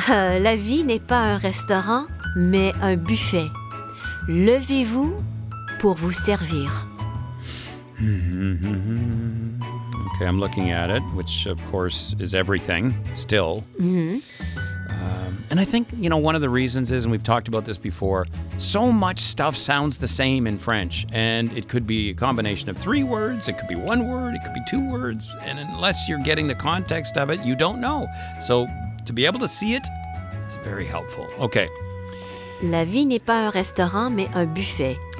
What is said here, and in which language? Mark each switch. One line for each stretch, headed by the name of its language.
French: La vie n'est pas un restaurant, mais un buffet. Levez-vous pour vous servir.
English: Okay, I'm looking at it, which of course is everything still. Mm-hmm. And I think, you know, one of the reasons is, and we've talked about this before, so much stuff sounds the same in French. And it could be a combination of three words, it could be one word, it could be two words. And unless you're getting the context of it, you don't know. So to be able to see it is very helpful. Okay.
French: La vie n'est pas un restaurant, mais un buffet.